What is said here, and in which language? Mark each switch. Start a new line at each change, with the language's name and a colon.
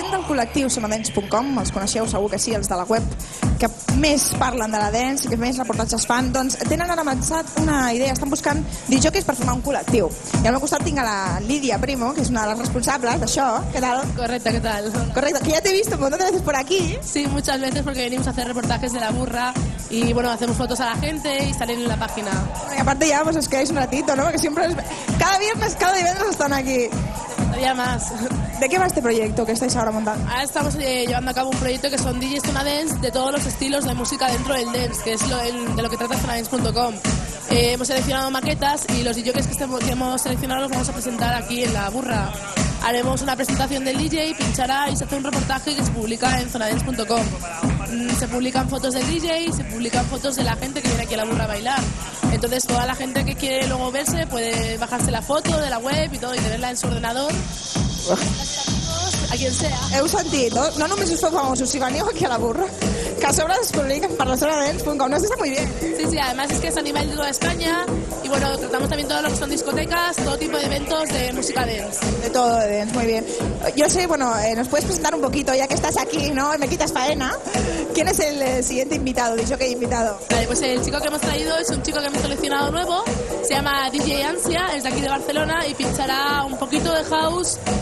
Catalan: Col·lectiu Somadents.com, els coneixeu segur que sí, els de la web, que més parlen de la dance i que més reportatges fan, doncs tenen ara avançat una idea, estan buscant DJs per formar un col·lectiu. I al meu costat tinc a la Lídia Primo, que és una de les responsables d'això. Què tal? Correcte, què tal? Correcte, que ja t'he vist
Spanish: un montón de veces por aquí. Sí, muchas veces, porque venimos a hacer reportajes de la burra y bueno, hacemos fotos a la gente y salen en la página. Bueno, y aparte ya pues, os quedáis un ratito, ¿no? Porque siempre, cada viernes,
Catalan: cada divendres estan aquí.
Spanish: Todavía más. ¿De qué va este proyecto que estáis ahora montando? Ahora estamos llevando a cabo un proyecto que son DJs Zona Dance de todos los estilos de música dentro del dance, que es de lo que trata ZonaDance.com. Hemos seleccionado maquetas y los DJs que hemos seleccionado los vamos a presentar aquí en La Burra. Haremos una presentación del DJ, pinchará y se hace un reportaje que se publica en ZonaDance.com. Se publican fotos del DJ, se publican fotos de la gente que viene aquí a La Burra a bailar. Entonces toda la gente que quiere luego verse puede bajarse la foto de la web y todo y tenerla en su ordenador. A quien sea.
Catalan: Heu sentit, no? No només us fa famosos, si veniu aquí a La Burra, que a sobre es publiquen per la zona dance.com, no està molt bé.
Spanish: Sí, sí, además es que es a nivel de toda España y bueno, tratamos también todo lo que son discotecas, todo tipo de eventos de música dance. De todo, de dance, muy bien. Yo sé, bueno, nos puedes presentar un poquito, ya que estás aquí, ¿no? Me quitas faena. ¿Quién es el siguiente invitado? Dicho que he invitado. Vale, pues el chico que hemos traído es un chico que hemos seleccionado nuevo. Se llama DJ Ansia, es de aquí de Barcelona y pinchará un poquito de house.